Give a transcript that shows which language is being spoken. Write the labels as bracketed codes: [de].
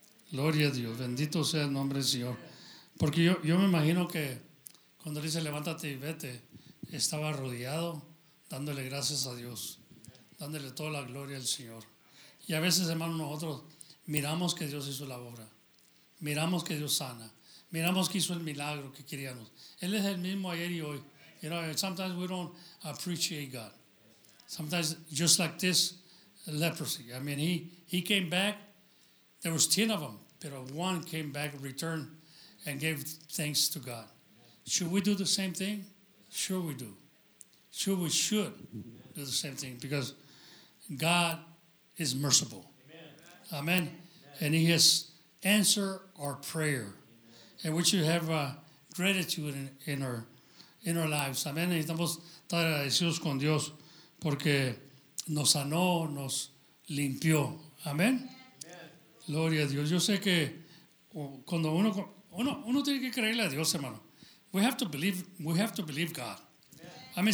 [es] Gloria a Dios, bendito sea el nombre del Señor. Porque yo me imagino que cuando le dice levántate y vete, estaba arrodillado dándole gracias a Dios, dándole toda la gloria al Señor. Y a veces, hermano, nosotros miramos que Dios hizo la obra, miramos que Dios sana, miramos que hizo el milagro que queríamos. Él es el mismo ayer y hoy. [en] You know, sometimes we don't appreciate God. Sometimes, just like this leprosy. I mean, he came back. There was 10 of them, but one came back, returned, and gave thanks to God. Should we do the same thing? Sure we do. Sure we should do the same thing, because God is merciful. Amen. Amen. And he has answered our prayer. Amen. And we should have gratitude in our lives. Amen. [es] Necesitamos estar agradecidos con Dios porque nos sanó, nos limpió. Amén. Gloria a Dios. Yo sé que cuando uno tiene que creerle a Dios, hermano. [en] We have to believe God. [es] Amén.